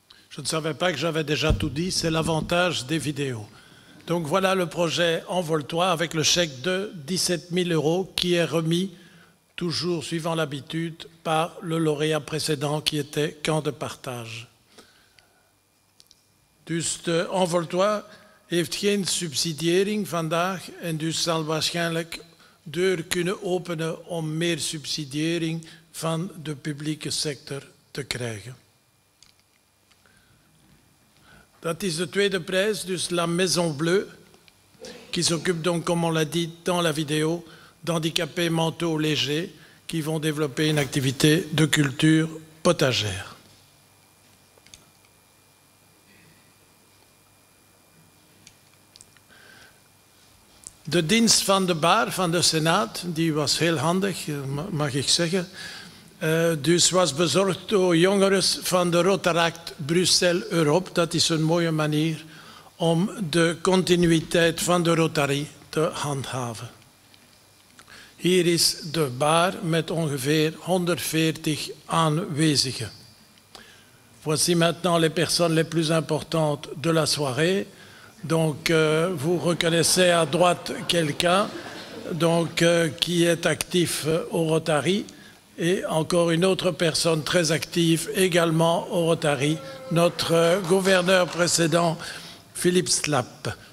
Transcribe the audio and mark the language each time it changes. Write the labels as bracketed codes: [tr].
[fr] Je ne savais pas que j'avais déjà tout dit, c'est l'avantage des vidéos. Donc voilà le projet Envol-toit avec le chèque de 17 000 euros qui est remis toujours suivant l'habitude, par le lauréat précédent qui était Camp de Partage. [nl] Dust envoltoi heeft geen subsidiering vandaag en dus zal waarschijnlijk deur kunnen openen om meer subsidiering van de publieke sector te krijgen. Dat is de tweede prijs, dus [fr] la Maison Bleue, qui s'occupe donc, comme on l'a dit dans la vidéo, d'handicapés mentaux légers qui vont développer une activité de culture potagère. [nl] De dienst van de bar, van de Senaat, die was heel handig, mag ik zeggen, dus was bezorgd door jongeren van de Rotaract Brussel-Europe. Dat is een mooie manier om de continuïteit van de Rotary te handhaven. Hier is de bar met ongeveer 140 aanwezigen. [fr] Voici maintenant les personnes les plus importantes de la soirée. Donc, vous reconnaissez à droite quelqu'un donc, qui est actif au Rotary. Et encore une autre personne très active, également au Rotary, notre gouverneur précédent, Philippe Slapp.